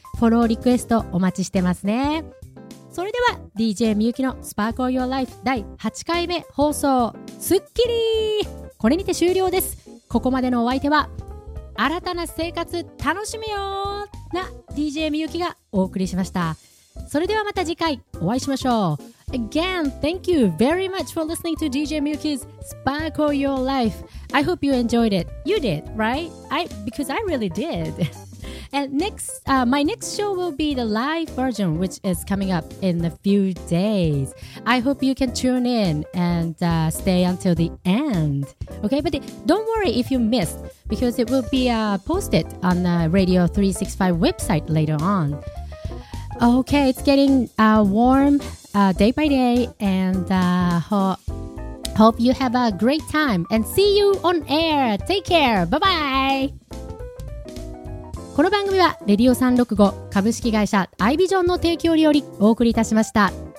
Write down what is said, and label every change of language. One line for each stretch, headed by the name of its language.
Japanese: フォローリクエストお待ちしてますね。それでは DJ みゆきのスパークオーヨーライフ第8回目放送スッキリこれにて終了です。ここまでのお相手は新たな生活楽しみよな DJ みゆきがお送りしました。それではまた次回お会いしましょう。
English: Again, thank you very much for listening to DJ Miyuki's Sparkle Your Life. I hope you enjoyed it. You did, right? Because I really did. And my next show will be the live version, which is coming up in a few days. I hope you can tune in and stay until the end. Okay, but don't worry if you missed, because it will be posted on the Radio 365 website later on. Okay, it's getting warm day by day, and hope you have a great time, and see you on air. Take care. Bye-bye.
Japanese: この番組はレディオ365株式会社アイビジョンの提供によりお送りいたしました。